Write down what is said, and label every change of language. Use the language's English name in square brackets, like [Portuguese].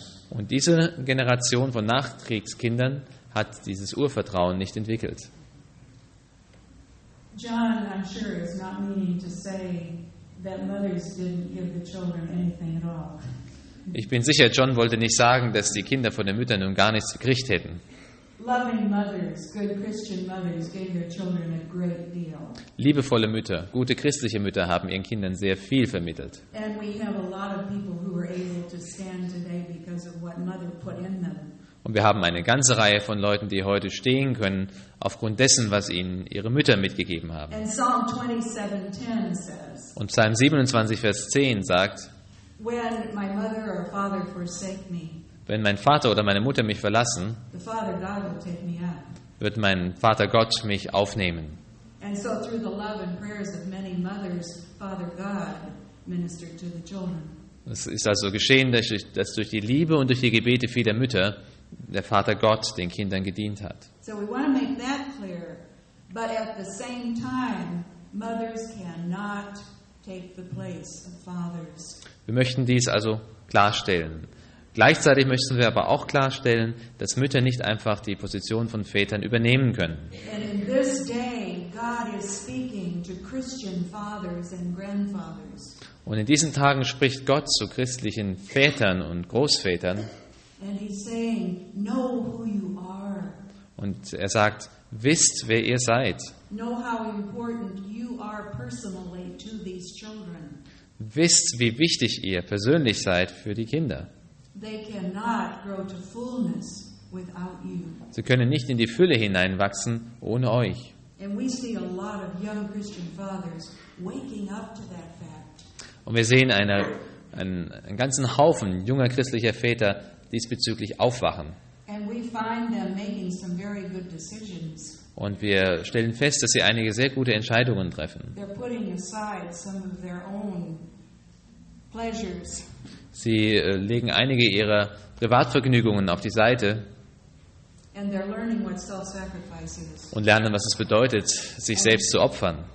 [German] Und diese Generation von Nachkriegskindern hat dieses Urvertrauen nicht entwickelt. [English] John, I'm sure, is not meaning to say that mothers didn't give the children anything at all. [German] Ich bin sicher, John wollte nicht sagen, dass die Kinder von den Müttern nun gar nichts gekriegt hätten. [English] Loving mothers, good Christian mothers gave their children a great deal. [German] Liebevolle Mütter, gute christliche Mütter haben ihren Kindern sehr viel vermittelt. [English] And we have a lot of people who are able to stand today because of what mother put in them. [German] Und wir haben eine ganze Reihe von Leuten, die heute stehen können, aufgrund dessen, was ihnen ihre Mütter mitgegeben haben. [English] And Psalm 27:10 says, [German] und Psalm 27, Vers 10 sagt, [English] when my mother or father forsake me, [German] wenn mein Vater oder meine Mutter mich verlassen, [English] the Father God will take me up, [German] wird mein Vater Gott mich aufnehmen. [English] And so through the love and prayers of many mothers, Father God ministered to the children. [German] Es ist also geschehen, dass durch die Liebe und durch die Gebete vieler Mütter der Vater Gott den Kindern gedient hat. [English] So we want to make that clear, but at the same time, mothers cannot take the place of fathers. [German] Wir möchten dies also klarstellen. Gleichzeitig möchten wir aber auch klarstellen, dass Mütter nicht einfach die Position von Vätern übernehmen können. [English] And in this day, God is speaking to Christian fathers and grandfathers. [German] Und in diesen Tagen spricht Gott zu christlichen Vätern und Großvätern. [English] And he's saying, know who you are. [German] Und er sagt, wisst, wer ihr seid. [English] Know how important you are personally to these children. [German] Wisst, wie wichtig ihr persönlich seid für die Kinder. [English] They cannot grow to fullness without you. [German] Sie können nicht in die Fülle hineinwachsen ohne euch. [English] And we see a lot of young Christian fathers waking up to that fact. [German] Und wir sehen einen ganzen Haufen junger christlicher Väter diesbezüglich aufwachen. [English] And we find them making some very good decisions. [German] Und wir stellen fest, dass sie einige sehr gute Entscheidungen treffen. [English] They're putting aside some of their own pleasures. [German] Sie legen einige ihrer Privatvergnügungen auf die Seite. [English] And they're learning what self-sacrifice is. [German] Und lernen, was es bedeutet, sich selbst zu opfern.